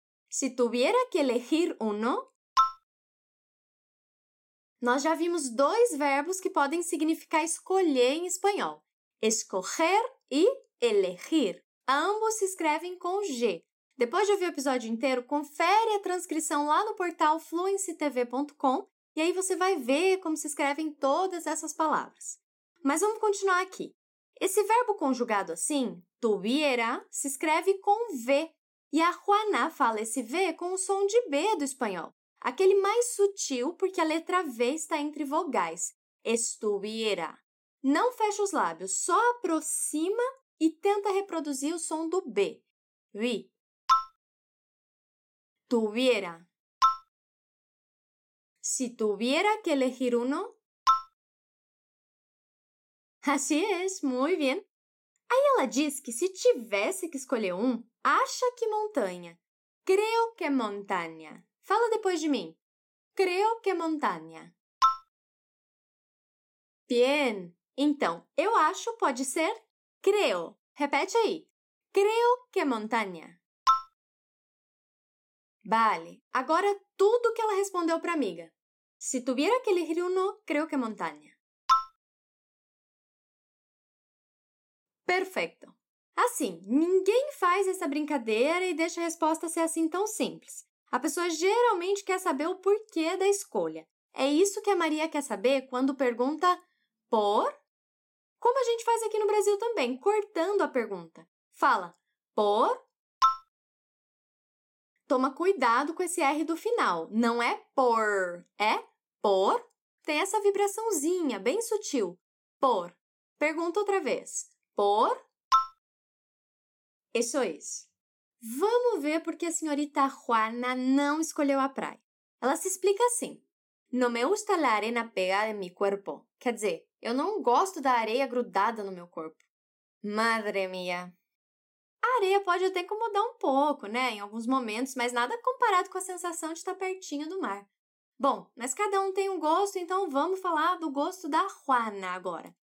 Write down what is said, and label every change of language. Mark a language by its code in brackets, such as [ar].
[es] Si tuviera que elegir uno. [pt] Nós já vimos dois verbos que podem significar escolher em espanhol. Escoger e elegir. Ambos se escrevem com G. Depois de ouvir o episódio inteiro, confere a transcrição lá no portal fluencytv.com e aí você vai ver como se escrevem todas essas palavras. Mas vamos continuar aqui. Esse verbo conjugado assim, tuviera, se escreve com V. E a Juana fala esse V com o som de B do espanhol. Aquele mais sutil, porque a letra V está entre vogais. [es] Estuviera. [pt] Não fecha os lábios, só aproxima e tenta reproduzir o som do B. Vi. [es] Tuviera. Si tuviera que elegir uno. Así es, muy bien. [pt] Aí ela diz que se tivesse que escolher um, acha que montanha. [es] Creo que montaña. [pt] Fala depois de mim. [es] Creo que montaña. Bien. [pt] Então, eu acho pode ser creo. Repete aí. [es] Creo que montaña. [pt] Vale. Agora, tudo que ela respondeu para amiga. [es] Si tuviera que elegir uno, creo que montaña. [pt] Perfeito. Assim, ninguém faz essa brincadeira e deixa a resposta ser assim tão simples. A pessoa geralmente quer saber o porquê da escolha. É isso que a Maria quer saber quando pergunta por? Como a gente faz aqui no Brasil também, cortando a pergunta. Fala por? Toma cuidado com esse R do final. Não é por, é por? Tem essa vibraçãozinha, bem sutil. Por. Pergunta outra vez. Por? Isso é isso. Vamos ver por que a senhorita Juana não escolheu a praia. Ela se explica assim. [es] No me gusta la arena pegada en mi cuerpo. [pt] Quer dizer, eu não gosto da areia grudada no meu corpo. [es] Madre mía. [pt] A areia pode até incomodar um pouco, né? Em alguns momentos, mas nada comparado com a sensação de estar pertinho do mar. Bom, mas cada um tem um gosto, então vamos falar do gosto da Juana agora.